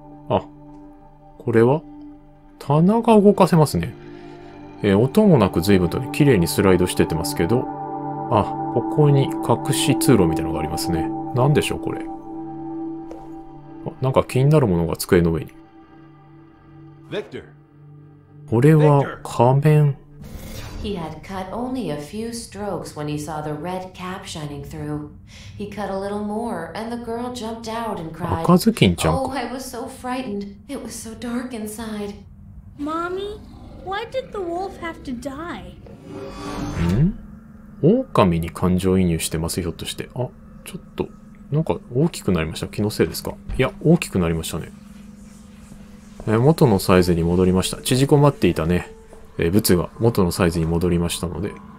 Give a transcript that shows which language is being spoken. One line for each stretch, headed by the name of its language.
Japanese: あ、これは棚が動かせますね。音もなく随分とね、綺麗にスライドしててますけど。あ、ここに隠し通路みたいなのがありますね。何でしょうこれ。なんか気になるものが机の上に。 Victor. これは仮面。
English: He had cut only a few strokes when he saw the red cap shining through. He cut a little more, and the girl jumped out and cried.
Japanese: 赤ずきんちゃんか。
English: Oh, I was so frightened. It was so dark inside. Mommy, why did the wolf have to die? ん？
Japanese: 狼に感情移入してます、ひょっとして。あ、ちょっと、なんか大きくなりました。気のせいですか？いや、大きくなりましたね。元のサイズに戻りました。縮こまっていたね。物が元のサイズに戻りましたので。